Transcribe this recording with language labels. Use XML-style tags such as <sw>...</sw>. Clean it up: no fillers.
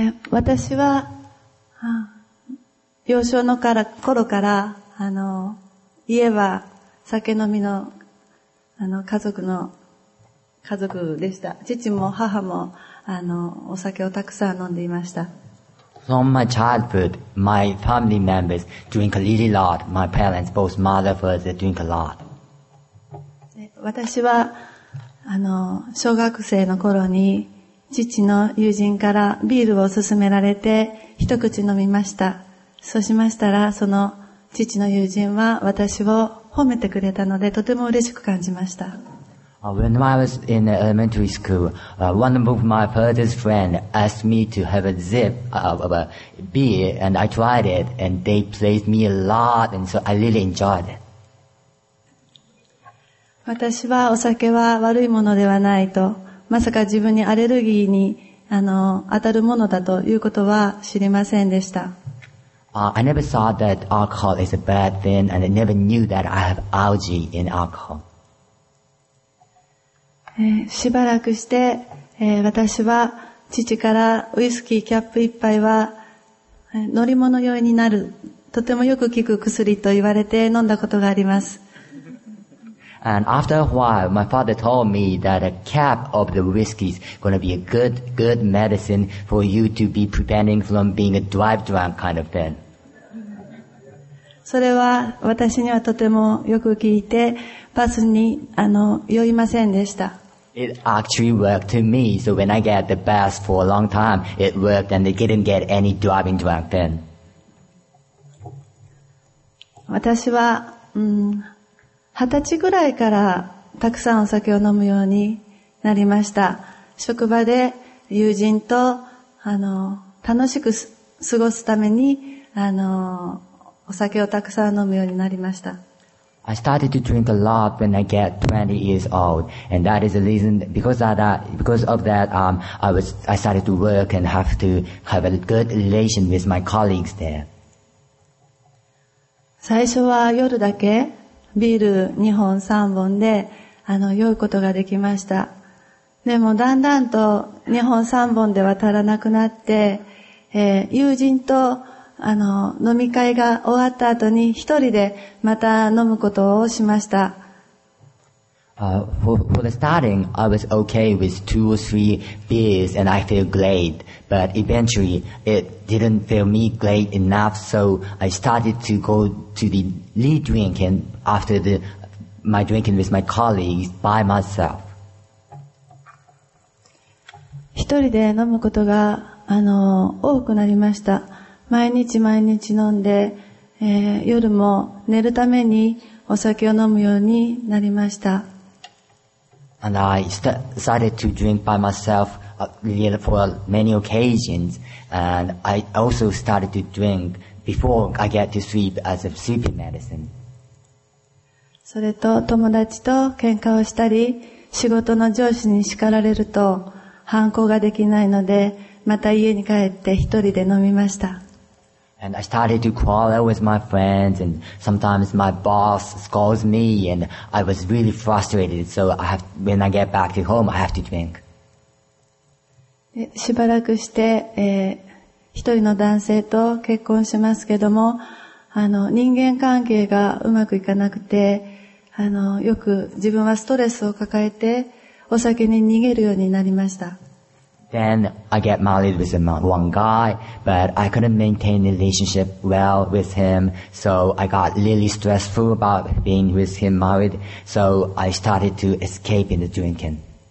<ja>私は、幼少の頃から、家は酒飲みの、家族の家族でした。父も母もお酒をたくさん飲んでいました。</ja> <en>From my childhood, my family members drink a really lot. My parents, both mother and father, drink a lot.</en> <ja>私は小学生の頃に父の友人からビールを勧められて一口飲みました。そうしましたら、その父の友人は私を褒めてくれたので、とても嬉しく感じました。</ja> <en>When I was in elementary school, one of my father's friends asked me to have a sip of a beer, and I tried it, and they praised me a lot, and so I really enjoyed it.</en> <ja>私はお酒は悪いものではないと、まさか自分にアレルギーに当たるものだということは知りませんでした。</ja> <en>I never thought that alcohol is a bad thing, and I never knew that I have allergy in alcohol.</en> <ja>しばらくして、私は父からウイスキーキャップ一杯は乗り物酔いになる、とてもよく効く薬と言われて飲んだことがあります。</ja> <en>And after a while, my father told me that a cap of the whiskey is going to be a good, good medicine for you to be preventing from being a drive drunk kind of thing.</en> <ja>それは私にはとてもよく効いて、バスに酔いませんでした。</ja> <en>It actually worked to me, so when I got the bus for a long time, it worked and I didn't get any driving drunk then.</en> <ja>私は、二十歳ぐらいからたくさんお酒を飲むようになりました。職場で友人と楽しく過ごすためにお酒をたくさん飲むようになりました。</ja> <en>I started to drink a lot when I get 20 years old, and that is the reason because of that, I started to work and have to have a good relation with my colleagues there.</en> <ja>最初は夜だけビール2本3本で酔うことができました。でもだんだんと2本3本では足らなくなって、友人と飲み会が終わった後に一人でまた飲むことをしました。</ja> <en>For the starting, I was okay with two or three beers and I feel great, but eventually it didn't feel me great enough, so I started to go to the lead drinking after my drinking with my colleagues by myself.</en> <ja>一人で飲むことが多くなりました。毎日毎日飲んで、夜も寝るためにお酒を飲むようになりました。</ja> <en>And I started to drink by myself for many occasions, and I also started to drink before I get to sleep as a sleeping medicine.</en> <ja>それと友達と喧嘩をしたり、仕事の上司に叱られると反抗ができないので、また家に帰って一人で飲みました。</ja> <en>And I started to quarrel with my friends, and sometimes my boss scolds me, and I was really frustrated. So when I get back to home, I have to drink.</en> <ja>しばらくして、一人の男性と結婚しますけども、人間関係がうまくいかなくて、よく自分はストレスを抱えて、お酒に逃げるようになりました。</ja> <en>Then I get married with one guy, but I couldn't maintain the relationship well with him. So I got really stressful about being with him married. So I started to escape in the drinking.</en>